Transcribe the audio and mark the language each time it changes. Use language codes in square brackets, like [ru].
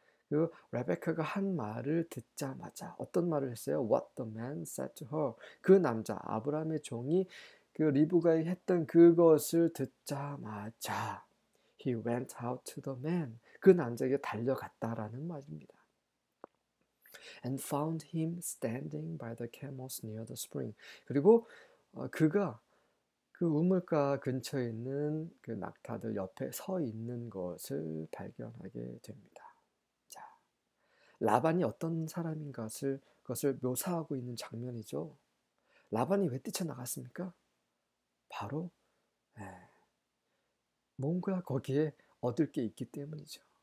[ko] 그 레베카가 한 말을 듣자마자 어떤 말을 했어요? [en] What the man said to her. [ko] 그 남자 아브라함의 종이 그 리브가에 했던 그것을 듣자마자 [en] he went out to the man. [ko] 그 남자에게 달려갔다라는 말입니다. [en] And found him standing by the camels near the spring. [ko] 그리고 그가 그 우물가 근처에 있는 그 낙타들 옆에 서 있는 것을 발견하게 됩니다. 라반이 어떤 사람인 것을 묘사하고 있는 장면이죠. 라반이 왜 뛰쳐나갔습니까? 바로 뭔가 거기에 얻을 게 있기 때문이죠.